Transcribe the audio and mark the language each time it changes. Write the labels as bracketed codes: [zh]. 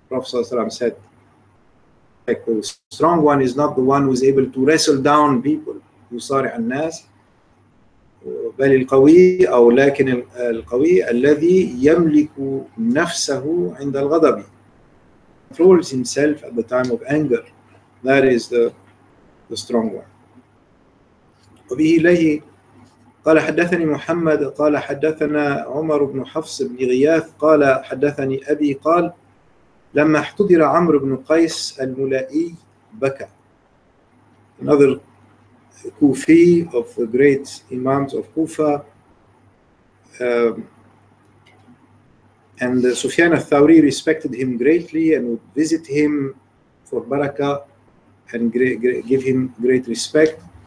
[en] Prophet ﷺ said, like the strong one is not the one who is able to wrestle down people, [ar] يُصَارِعَ النَّاسِ. بل القوي أو لكن القوي الذي يملك نفسه عند الغضب. [en] Controls himself at the time of anger. That is the strong one. [ar] وبه إليه قال حدثني محمد قال حدثنا عمر بن حفص بن غياث قال حدثني أبي قال لما احتضر عمرو بن قيس الملائي بكى. [en] Another Kufi of the great imams of Kufa, and Sufyan al-Thawri respected him greatly and would visit him for barakah and give him great respect.